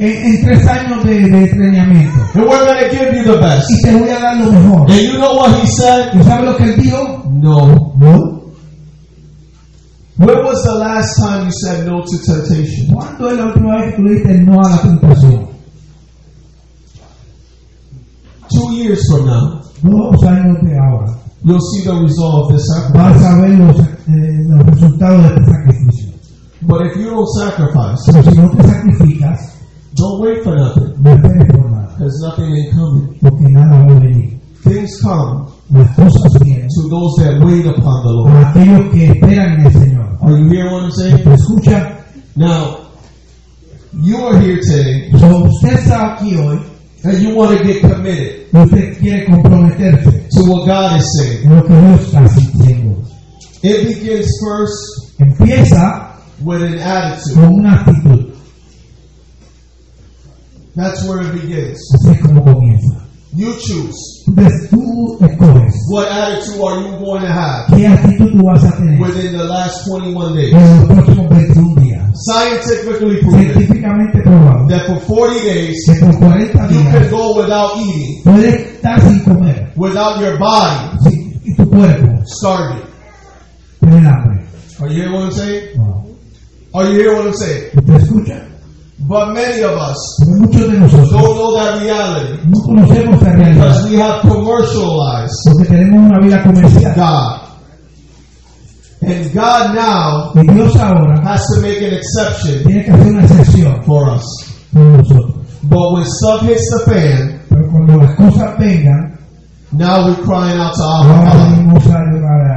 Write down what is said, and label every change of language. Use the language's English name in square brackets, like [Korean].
[Spanish] En 3 años de entrenamiento. [English] And we're going to give you the best. [Spanish] Y te voy a dar lo mejor. [English] And you know what he said? [Spanish] ¿Y sabes lo que él dijo? [English] No. [Spanish] No. [English] When was the last time you said no to temptation? [Spanish] ¿Cuándo es la última vez que dijiste no a la tentación? [English] 2 years from now. [Spanish] 2 años de ahora. [English] You'll see the result of this sacrifice. [Spanish] Vas a ver los los resultados de este sacrificio. [English] But if you don't sacrifice, [Spanish] pero si no te sacrificas, [English] don't wait for nothing. [Spanish] No esperes por nada. [English] Because nothing ain't coming. [Spanish] Porque nada va a venir. [English] Things come. [Spanish] Las cosas vienen. [English] To those that wait upon the Lord. [Spanish] A aquellos que esperan en el Señor. [English] Are you hearing what I'm saying? [Spanish] Escucha. [English] Now, you are here today. [Spanish] So usted está aquí hoy. [English] And you want to get committed. [Spanish] Usted quiere comprometerse. [English] To what God is saying. [Spanish] Lo que Dios está diciendo. [English] It begins first. [Spanish] Empieza. [English] With an attitude. [Spanish] Con una actitud. [English] That's where it begins. [Spanish] Así es como comienza. [English] You choose. [Spanish] Tú escoges. [English] What attitude are you going to have? [Spanish] ¿Qué actitud tú vas a tener? [English] Within the last 21 days. [Spanish] En los próximos 21 días. [English] Scientifically proven. [Spanish] Científicamente probado. [English] That for 40 days. [Spanish] Que por 40 días. [English] You can go without eating. [Spanish] Puedes estar sin comer. [English] Without your body. [Spanish] Sí, y tu cuerpo. [English] Starving. [Spanish] Tener hambre. [English] Are you hearing what I'm saying? [Spanish] No. [English] Are you hearing what I'm saying? [Spanish] ¿Te escucha? [English] But many of us, [Spanish] pero muchos de nosotros, [English] don't know that reality. [Spanish] No conocemos esa realidad. [English] Because we have commercialized. [Spanish] Porque tenemos una vida comercial. [English] God. And God now, [Spanish] y Dios ahora, [English] has to make an exception. [Spanish] Tiene que hacer una excepción [English] for us. [Spanish] Por nosotros. [English] But when stuff hits the fan, [Spanish] pero cuando las cosas vengan, [English] now we're crying out to Abba.